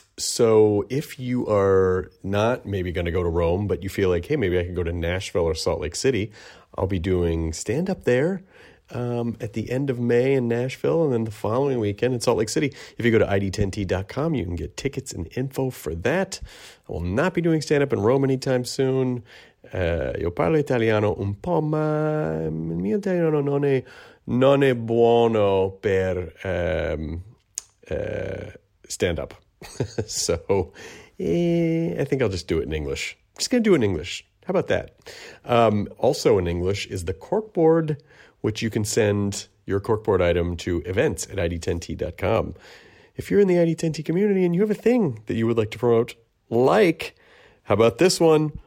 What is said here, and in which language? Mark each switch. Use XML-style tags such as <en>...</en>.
<en>So if you are not maybe going to go to Rome, but you feel like, hey, maybe I can go to Nashville or Salt Lake City, I'll be doing stand-up there at the end of May in Nashville and then the following weekend in Salt Lake City. If you go to id10t.com, you can get tickets and info for that. I will not be doing stand-up in Rome anytime soon.</en> <it>Io parlo italiano un po', ma il mio italiano non è buono per stand-up.</it> <en>So I think I'll just do it in English. I'm just going to do it in English. How about that? Also in English is the corkboard, which you can send your corkboard item to events at id10t.com. If you're in the ID10T community and you have a thing that you would like to promote, like, how about this one?</en>